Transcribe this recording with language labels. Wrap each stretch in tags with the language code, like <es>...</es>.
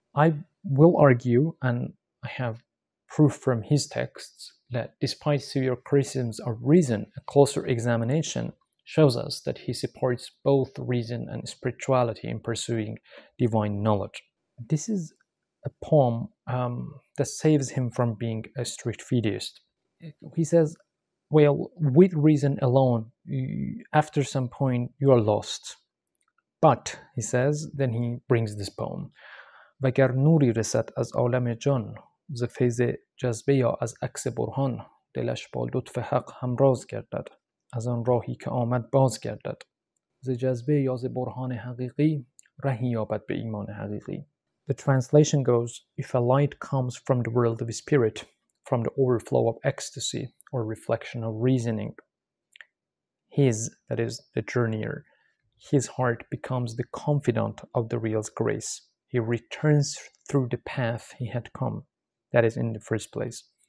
<en>I will argue, and I have proof from his texts, that despite severe criticisms of reason, a closer examination shows us that he supports both reason and spirituality in pursuing divine knowledge. This is a poem that saves him from being a strict fideist. He says, well, with reason alone, after some point, you are lost. But, he says, then he brings this poem.</en> <fa>وگر نوری رسد از عالم جان ز فیض جذبه یا از عکس برهان دلش با لطف حق همراز گردد از آن راهی که آمد باز گردد ز جذبه یا ز برهان حقیقی رهی یابد به ایمان حقیقی.</fa> <en>The translation goes, if a light comes from the world of spirit, from the overflow of ecstasy or reflection of reasoning, his, that is, the journeyer, his heart becomes the confidant of the real's grace. He returns through the path he had come, that is, in the first place.</en>